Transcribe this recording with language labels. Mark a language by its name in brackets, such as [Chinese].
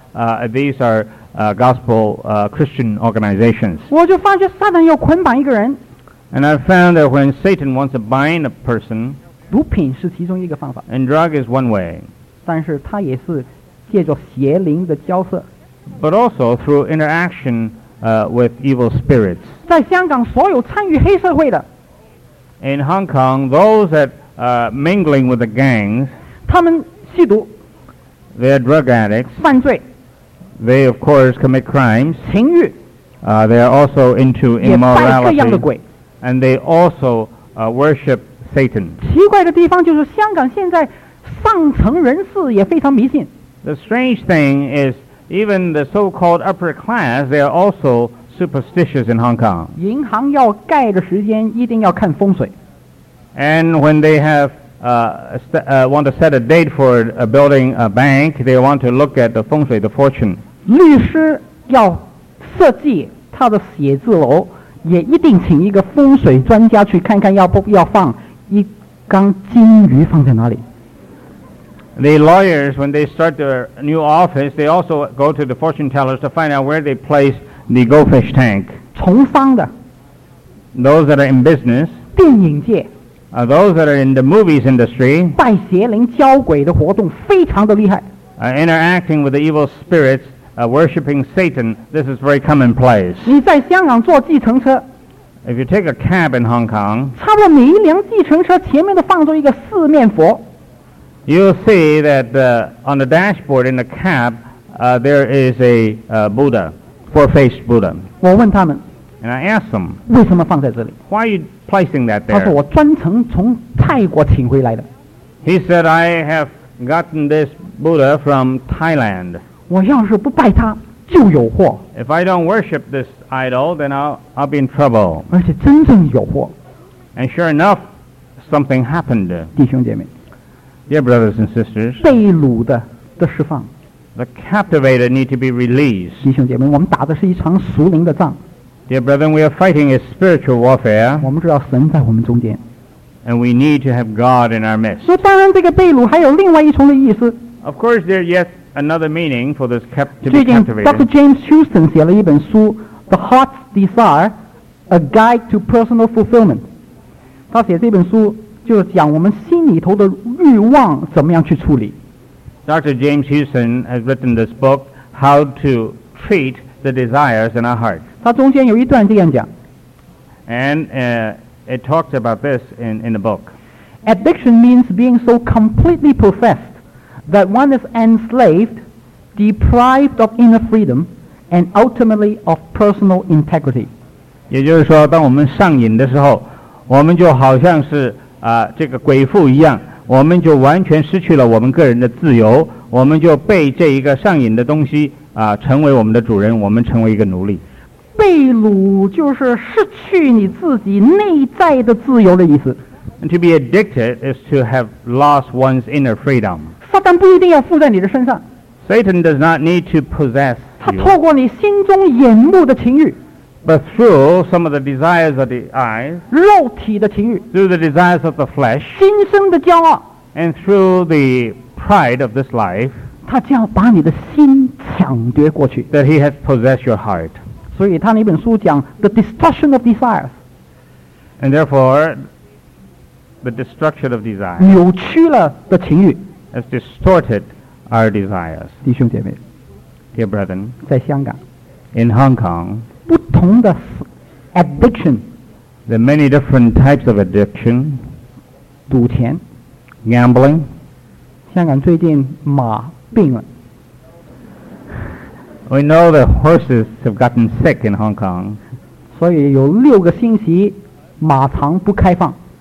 [English] These are gospel Christian organizations. [Chinese] 我就发觉撒旦要捆绑一个人。 [English] And I found that when Satan wants to bind a person, [Chinese] 毒品是其中一个方法。 [English] And drug is one way. [Chinese] 但是它也是借着邪灵的交涉。 [English] But also through interaction with evil spirits. [Chinese] 在香港所有参与黑社会的。 [English] In Hong Kong, those that are mingling with the gangs, [Chinese] 他们吸毒, [English] they are drug addicts, [Chinese] 犯罪, [English] they of course commit crimes, [Chinese] 情欲, [English] they are also into immorality, [Chinese] 也拜各样的鬼, [English] and they also worship Satan. [Chinese] 奇怪的地方就是香港现在上层人士也非常迷信。 [English] The strange thing is even the so-called upper class, they are also superstitious in Hong Kong. [Chinese] 银行要盖的时间一定要看风水。 [English] And when they have want to set a date for a building a bank, they want to look at the 风水, the fortune. [Chinese] 律师要设计他的写字楼，也一定请一个风水专家去看看要不要放一缸金鱼放在哪里。 [English] The lawyers, when they start their new office, they also go to the fortune tellers to find out where they place the goldfish tank. [Chinese] 从方的 [English] those that are in business, [Chinese] 电影界 [English] those that are in the movies industry, [Chinese] 拜邪灵交鬼的活动非常的厉害 [English] interacting with the evil spirits, worshipping Satan, this is very commonplace. [Chinese] 你在香港坐计程车 [English] if you take a cab in Hong Kong, [Chinese] 差不多每一辆计程车前面都放着一个四面佛。 [English] You'll see that on the dashboard in the cab, there is a Buddha, four-faced Buddha. [Chinese] 我问他们, [English] and I asked them, [Chinese] 为什么放在这里? [English] Why are you placing that there? [Chinese] 他说我专程从泰国请回来的。 [English] He said, I have gotten this Buddha from Thailand. [Chinese] 我要是不拜他就有祸。 [English] If I don't worship this idol, then I'll be in trouble. [Chinese] 而且真正有祸。 [English] And sure enough, something happened. [Chinese] 弟兄姐妹。 [English] Dear brothers and sisters, [Chinese] 被掳的释放 [English] the captivated need to be released. [Chinese] 弟兄姐妹，我们打的是一场属灵的仗。 [English] Dear brethren, we are fighting a spiritual warfare. [Chinese] 我们知道神在我们中间。 [English] And we need to have God in our midst. [Chinese] 那当然，这个被掳还有另外一重的意思。 [English] Of course, there is yet another meaning for this captivated. [Chinese] 最近 Dr. James Houston 写了一本书 The Heart's Desire, A Guide to Personal Fulfillment. 他写这本书就是讲我们心里头的欲望怎么样去处理。 [English] Dr. James Houston has written this book, How to Treat the Desires in Our Hearts. [Chinese] 他中间有一段这样讲。 [English] And it talks about this in the book. Addiction means being so completely possessed that one is enslaved, deprived of inner freedom, and ultimately of personal integrity. [Chinese] 也就是说，当我们上瘾的时候，我们就好像是这个鬼妇一样，我们就完全失去了我们个人的自由，我们就被这一个上瘾的东西成为我们的主人，我们成为一个奴隶。被掳就是失去你自己内在的自由的意思。 [English] And to be addicted is to have lost one's inner freedom. [Chinese] 撒旦不一定要附在你的身上。 [English] Satan does not need to possess you. [Chinese] 他透过你心中眼目的情欲。 [English] But through some of the desires of the eyes, [Chinese] 肉体的情欲, [English] through the desires of the flesh, [Chinese] 心生的骄傲, [English] and through the pride of this life, [Chinese] 他将把你的心抢夺过去, [English] that he has possessed your heart. [Chinese] 所以他那本书讲, [English] the destruction of desires. And therefore, the destruction of desires, [Chinese] 扭曲了的情欲, [English] has distorted our desires. [Chinese] 弟兄姐妹, [English] dear brethren, [Chinese] 在香港, [English] in Hong Kong, [Chinese] 不同的 addiction, [English] there are many different types of addiction. [Chinese] 赌钱 [English] gambling. [Chinese] 香港最近马病了。 [English] We know the horses have gotten sick in Hong Kong. [Chinese] 所以有六个星期马场不开放。